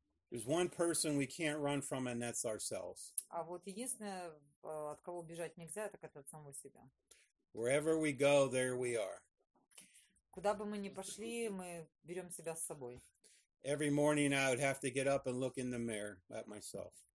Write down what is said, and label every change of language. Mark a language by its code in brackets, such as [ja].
[en] There's one person we can't run from, and that's ourselves. [ru] А вот единственное, от кого убежать нельзя, так это от самого себя. [en] Wherever we go, there we are. [ru] Куда бы мы ни пошли, мы берем себя с собой. [en] Every morning I would have to get up and look in the mirror at myself.